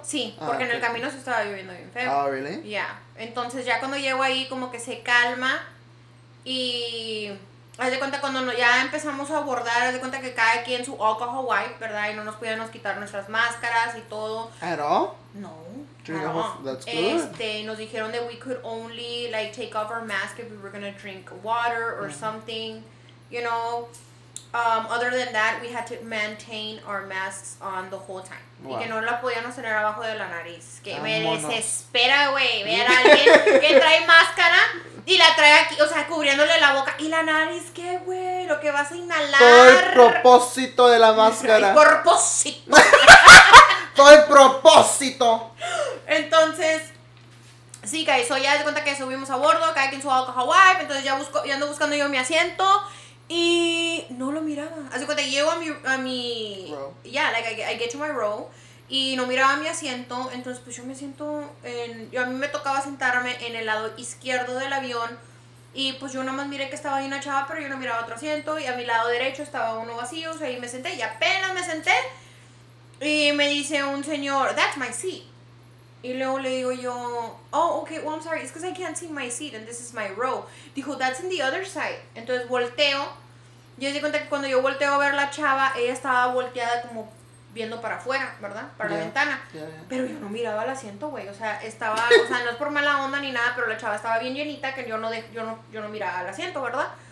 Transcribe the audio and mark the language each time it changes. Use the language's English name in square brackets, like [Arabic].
[Spanish] Sí, porque en el camino se estaba lloviendo bien feo. [English] Oh, ¿really? Yeah. [Spanish] Entonces ya cuando llego ahí como que se calma. Y haz de cuenta cuando ya empezamos a abordar, haz de cuenta que cada quien su alcohol wipe, ¿verdad? Y no nos podíamos quitar nuestras máscaras y todo. [English] ¿At all? No. That's good. [Spanish] Nos dijeron [English] that we could only like take off our mask if we were gonna drink water or something, you know. Other than that, we had to maintain our masks on the whole time. [Spanish] Wow. Y que no la podíamos tener abajo de la nariz. Que me desespera, güey, ver a alguien que trae máscara y la trae aquí, o sea, cubriéndole la boca y la nariz, qué güey, lo que vas a inhalar. Todo el propósito de la máscara. El propósito. Todo el propósito. Entonces, sí, guys, so ya de cuenta que subimos a bordo, cada quien subió a Alcoha Wipe, entonces ya ando buscando yo mi asiento y no lo miraba. Así que llego a mi [English] row. Yeah, like I get to my row [Spanish] y no miraba mi asiento, entonces pues yo me siento a mí me tocaba sentarme en el lado izquierdo del avión y pues yo nada más miré que estaba ahí una chava, pero yo no miraba otro asiento y a mi lado derecho estaba uno vacío, o sea, ahí me senté y apenas me senté y me dice un señor, [English] "That's my seat." [Spanish] Y luego le digo yo, [English] "Oh, okay, well, I'm sorry, it's because I can't see my seat and this is my row." [Spanish] Dijo, [English] "That's in the other side." [Spanish] Entonces volteo, yo me di cuenta que cuando yo volteo a ver la chava, ella estaba volteada como viendo para afuera, ¿verdad? Para la ventana. [English] Yeah, yeah. [Spanish] Pero yo no miraba el asiento, güey, o sea, no es por mala onda ni nada, pero la chava estaba bien llenita que yo no miraba el asiento, ¿verdad?